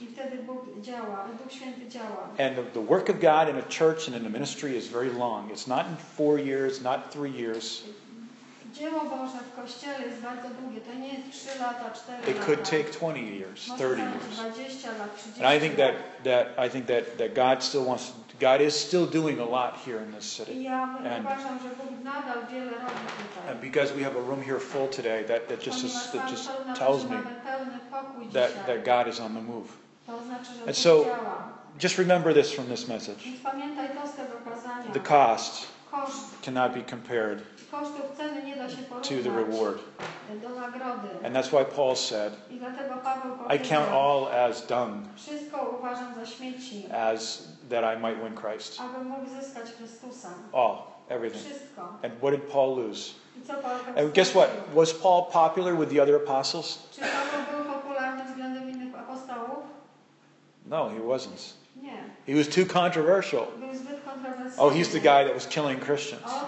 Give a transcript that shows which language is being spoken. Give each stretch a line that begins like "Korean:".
Polish: I wtedy Bóg działa, Duch Święty działa.
English: And the work of God in a church and in a ministry is very long. It's not in 4 years, not 3 years.
Polish: Dzieło Boże w Kościele jest bardzo długie. To nie jest 3 lata, 4
English: it
Polish: lata.
English: It could take 20 years, 30 years.
Polish: 20 lat, 30
English: and I think that, that God still wants, God is still doing a lot here in this city.
Polish: Ja and, uważam, że Bóg nadal wiele robi tutaj.
English: And because we have a room here full today, that just tells me that God is on the move.
Polish: To znaczy, że
English: and so, just remember this from this message.
Polish: Więc pamiętaj to z tego kazania.
English: The cost.
Polish: Koszt
English: cannot be compared
Polish: kosztów ceny nie da się porównać
English: to the reward.
Polish: Do nagrody.
English: And that's why Paul said,
Polish: I dlatego Paweł powiedział,
English: I count all as dung,
Polish: wszystko uważam za śmieci,
English: as that I might win Christ.
Polish: Aby mógł zyskać Chrystusa.
English: All, everything.
Polish: Wszystko.
English: And what did Paul lose?
Polish: I co Paweł
English: and
Polish: stracił?
English: Guess what? Was Paul popular with the other apostles?
Polish: Czy Paweł był popularny względem innych apostołów?
English: No, he wasn't.
Polish: Nie.
English: He was too controversial.
Polish: Zbyt
English: oh, he's the guy that was killing Christians.